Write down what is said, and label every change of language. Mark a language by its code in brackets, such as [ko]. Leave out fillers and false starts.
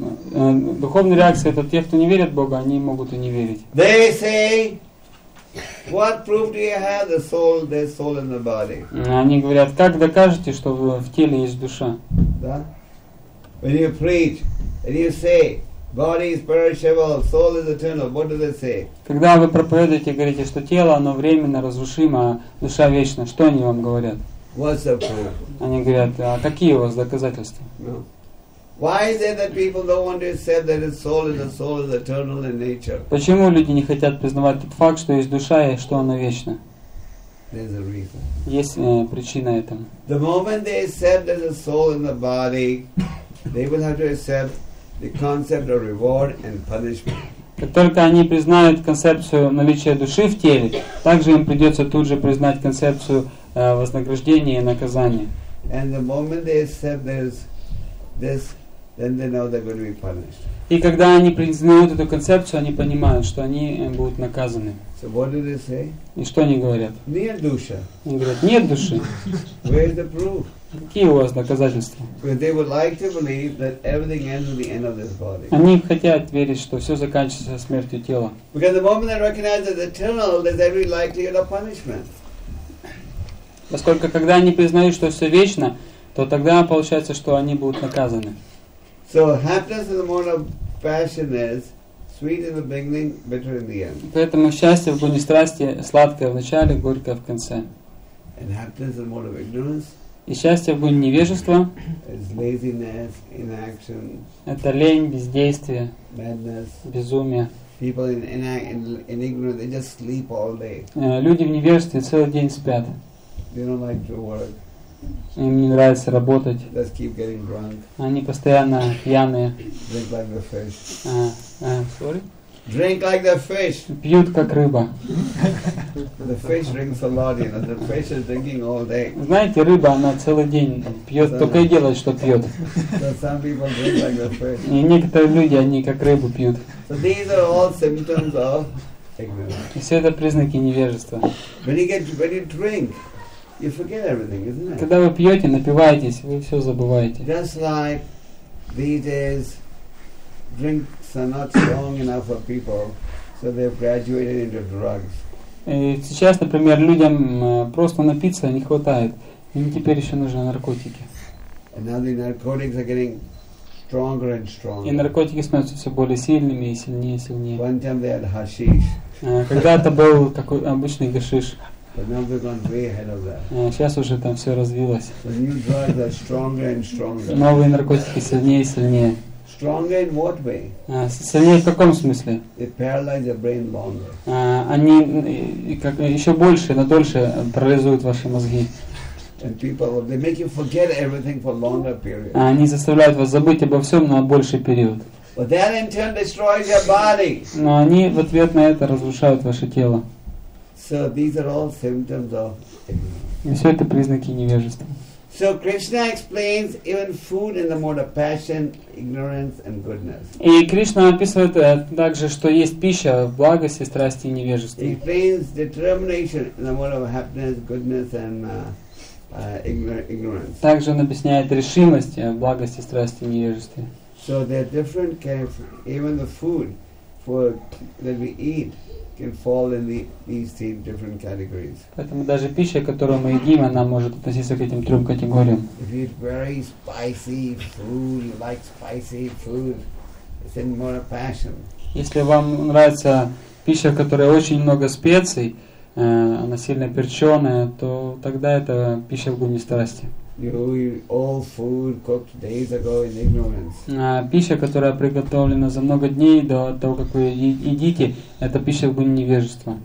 [ru] Духовные реакции — это те, кто не верит в Бога, они могут и не верить. [en] They say, what proof do you have the soul, there's soul in the body? [ru] Они говорят, как докажете, что в теле есть душа? Да? [en] When you preach, and you say, body is perishable, soul is eternal. What do they say? [ru] Когда вы проповедуете и говорите, что тело, оно временно, разрушимо, а душа вечна, что они вам говорят? [en] What's the proof? [ru] Они говорят, а какие у вас доказательства? [en] No. Why is it that people don't want to accept that soul is eternal in nature? [ru] Почему люди не хотят признавать тот факт, что есть душа и что она вечна? [en] There's a reason. [ru] Есть причина этому. [en] The moment they accept that there's a soul in the body, they will have to accept the concept of reward and punishment. [ru] Как только они признают концепцию наличия души в теле, также им придется тут же признать концепцию вознаграждения и наказания. [en] And the moment they accept this, then they know they're going to be punished. [ru] И когда они признают эту концепцию, они понимают, что они будут наказаны. [en] So what do they say? [ru] И что они говорят? Нет души. Они говорят, нет души. [en] Where is the proof? [ru] Какие у вас доказательства? [en] They would like to believe that everything ends at the end of this body. [ru] Они хотят верить, что все заканчивается смертью тела. [en] Because the moment they recognize that eternal, there's every likelihood of punishment. [ru] Поскольку когда они признают, что все вечно, то тогда получается, что они будут наказаны. [en] So happiness in the mode of passion is sweet in the beginning, bitter in the end. [ru] Поэтому счастье в гуне страсти сладкое в начале, горькое в конце. [en] And happiness in the mode of ignorance. [ru] И счастье в гуне невежества [en] laziness, inaction, [ru] это лень, бездействие, [en] madness, [ru] безумие. [en] People in ignorance, they just sleep all day. [ru] Люди в невежестве целый день спят. [en] They don't like to work. [ru] Им не нравится работать. [en] Just keep getting drunk. [ru] Они постоянно пьяные. [en] Drink like the fish. Sorry. drink like the fish. [ru] Пьют как рыба. [en] The fish drinks a lot, you know. The fish is drinking all day. [ru] Знаете, рыба, она целый день пьет, только и делает, что пьет. [en] So some people drink like the fish. [ru] И некоторые люди, они как рыбу пьют. [en] So these are all symptoms of ignorance. [ru] Все это признаки невежества. [en] When you drink, you forget everything, isn't it? [ru] Когда вы пьете, напиваетесь, вы все забываете. [en] Just like these days, drinks are not strong enough for people, so they've graduated into drugs. [ru] И сейчас, например, людям просто напиться не хватает, им теперь еще нужны наркотики. [en] And now the narcotics are getting stronger and stronger. [ru] И наркотики становятся все более сильными и сильнее и сильнее. [en] One time they had hashish. [ru] Когда-то был такой обычный гашиш. [en] But now they've gone way ahead of that. [ru] Сейчас уже там все развилось. [en] The new drugs are stronger and stronger. [ru] Новые наркотики сильнее и сильнее. [en] Stronger in what way? [ru] Сильнее в каком смысле? [en] They paralyze your brain longer. [ru] Они как еще больше, на дольше парализуют ваши мозги. [en] And people, they make you forget everything for longer period. [ru] Они заставляют вас забыть обо всем на больший период. [en] But that in turn destroys your body. [ru] Но они в ответ на это разрушают ваше тело. [en] So these are all symptoms of ignorance. [ru] И все это признаки невежества. [en] So Krishna explains even food in the mode of passion, ignorance, and goodness. [ru] И Кришна описывает также, что есть пища в благости, страсти и невежестве. [en] He explains determination in the mode of happiness, goodness, and ignorance. [ru] Также он объясняет решимость в благости, страсти и невежестве. [en] So there are different kinds, even the food for that we eat. Can fall in these three different categories. [ru] Поэтому даже пища, которую мы едим, она может относиться к этим трем категориям. [en] If you eat very spicy food, you like spicy food, it's in more passion. [ru] Если вам нравится пища, в которой очень много специй, она сильно перченая, то тогда это пища в гуне страсти. [en] All food cooked days ago in ignorance. [ru] Пища, которая приготовлена за много дней до того, как вы едите, это пища в гуне невежества.